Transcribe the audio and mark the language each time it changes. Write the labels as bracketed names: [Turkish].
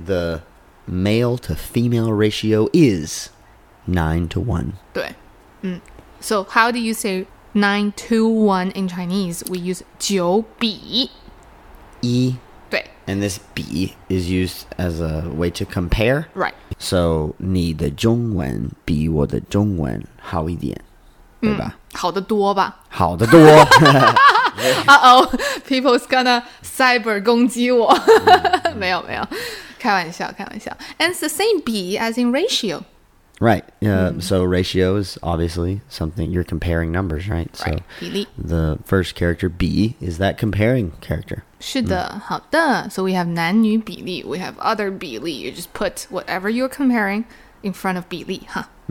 [English] ，the male to female ratio is 9:1。对，嗯 ，so how do you say 9:1 in Chinese? We use 九比 [Chinese] 一。对 [English] ，and this 比 is used as a way to compare. Right. [Chinese] So 你的中文比我的中文。好一点，对吧？好的多吧？好的多。 [English] Uh-oh, people's gonna cyber [Chinese] 攻击我。没有没有，开玩笑开玩笑。 [English] And it's the same B as in ratio. Right. So ratio is obviously something you're comparing numbers, right? So right, 比例。 The first character B is that comparing character. [Chinese] 是的，好的。 [English] So we have 男女比例 We have other 比例 You just put whatever you're comparing in front of 比例，哈。